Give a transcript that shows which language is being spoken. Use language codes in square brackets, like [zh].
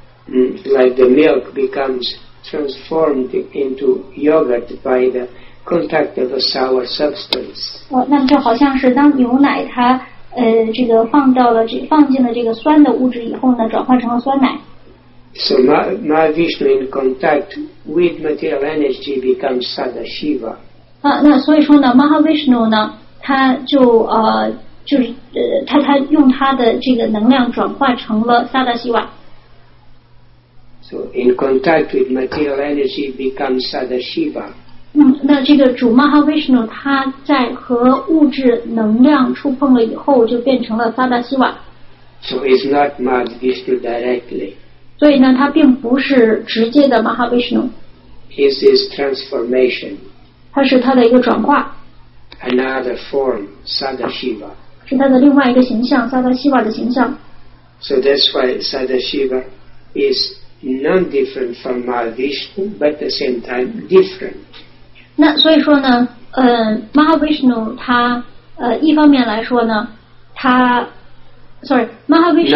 [en] Like the milk becomes transformed into yogurt by the contact of a sour substance. [zh] 哦，那么就好像是当牛奶它。这个放到了这放进了这个酸的物质以后呢，转化成了酸奶。 [en] So Mahavishnu in contact with material energy becomes Sada Shiva. [zh] 啊，那所以说呢 ，Mahavishnu 呢，他就就是他用他的这个能量转化成了 Sada Shiva。 [en] So in contact with material energy becomes Sada Shiva. [zh] 那这个主 Mahavishnu 他在和物质能量触碰了以后就变成了萨达希瓦。 [en] So it's not Mahavishnu directly. [zh] 所以呢他并不是直接的 Mahavishnu. [en] It's his transformation. [zh] 他是他的一个转化。 [en] Another form, Sada Shiva. [zh] 是他的另外一个形象萨达希瓦的形象。 [en] So that's why Sada Shiva is non-different from Mahavishnu, but at the same time different. [zh] 那所以说呢，Mahavishnu 他一方面来说呢，他 ， [en] sorry， [zh] Mahavishnu